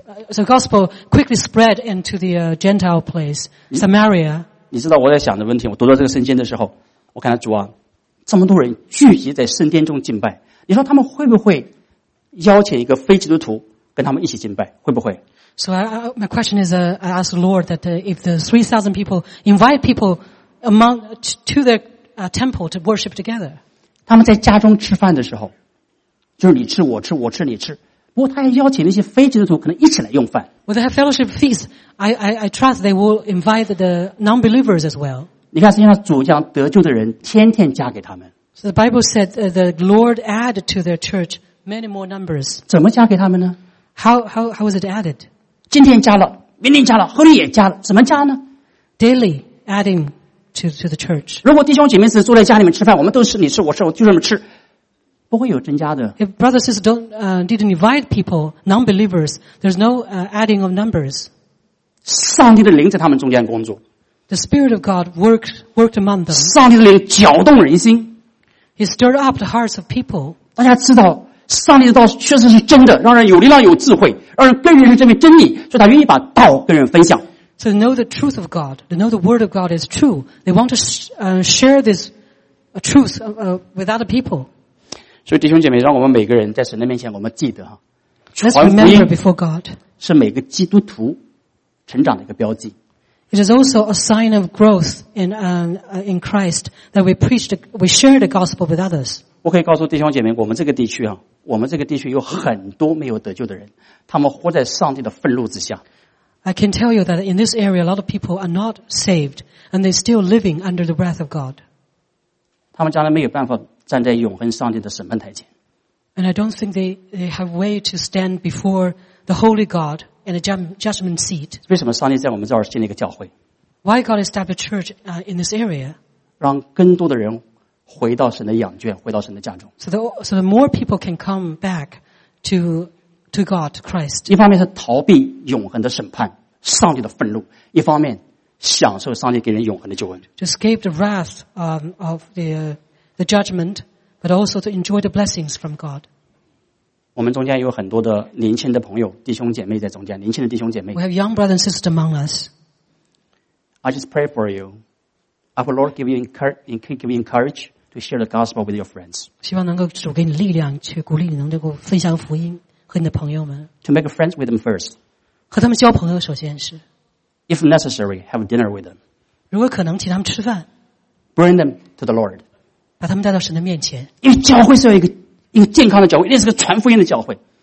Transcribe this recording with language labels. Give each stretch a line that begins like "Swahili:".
English: So gospel quickly spread into the Gentile place, Samaria.
Chinese: 你知道我在想的问题，我读到这个圣经的时候，我看到主啊，这么多人聚集在圣殿中敬拜，你说他们会不会邀请一个非基督徒跟他们一起敬拜？会不会
English: ？So my question is, I ask the Lord that if the 3,000 people invite people among to their temple to worship together.
Chinese: 他们在家中吃饭的时候，就是你吃我吃，我吃你吃。不过他也邀请那些非基督徒可能一起来用饭。
English: With the fellowship feast, I trust they will invite the non-believers as well.
Chinese: 你看，实际上主将得救的人天天加给他们。
English: So the Bible said the Lord added to their church many more numbers.
Chinese: 怎么加给他们呢
English: ？How was it added?
Chinese: 今天加了，明天加了，后天也加了，怎么加呢
English: ？Daily adding to the church.
Chinese: 如果弟兄姐妹是坐在家里面吃饭，我们都是你吃我吃，我就这么吃。不会有增加的。
English: If brothers and sisters didn't invite people, non-believers, there's no adding of numbers.
Chinese: 上帝的灵在他们中间工作。
English: The Spirit of God worked among them.
Chinese: 上帝的灵搅动人心。
English: He stirred up the hearts of people.
Chinese: 大家知道上帝的道确实是真的，让人有力量有智慧，让人更认识这位真理，所以他愿意把道跟人分享。
English: So to know the truth of God, to know the word of God is true. They want to share this truth with other people.
Chinese: 所以弟兄姐妹，让我们每个人在神的面前，我们记得哈，传福音
English: before God
Chinese: 是每个基督徒成长的一个标记。
English: It is also a sign of growth in Christ that we share the gospel with others.
Chinese: 我可以告诉弟兄姐妹，我们这个地区啊，我们这个地区有很多没有得救的人，他们活在上帝的愤怒之下。
English: I can tell you that in this area, a lot of people are not saved, and they're still living under the wrath of God.
Chinese: 他们将来没有办法站在永恒上帝的审判台前。
English: And I don't think they have a way to stand before the Holy God in a judgment seat.
Chinese: 为什么上帝在我们这儿建立一个教会？
English: Why God established a church in this area?
Chinese: 让更多的人回到神的羊圈，回到神的家中。
English: So the more people can come back to God, Christ.
Chinese: 一方面是逃避永恒的审判，上帝的愤怒；一方面享受上帝给人永恒的救恩。
English: To escape the wrath of the judgment, but also to enjoy the blessings from God.
Chinese: 我们中间有很多的年轻的朋友、弟兄姐妹在中间，年轻的弟兄姐妹。
English: We have young brothers and sisters among us. I just pray for you. I will Lord give you encourage to share the gospel with your friends.
Chinese: 希望能够主给你力量，去鼓励你能够分享福音。和你的朋友们
English: to make friends with them first.
Chinese: 和他们交朋友首先是
English: if necessary, have dinner with them.
Chinese: 如果可能请他们吃饭
English: bring them to the Lord.
Chinese: 把他们带到神的面前，因为教会是有一个健康的教会，那是个传福音的教会。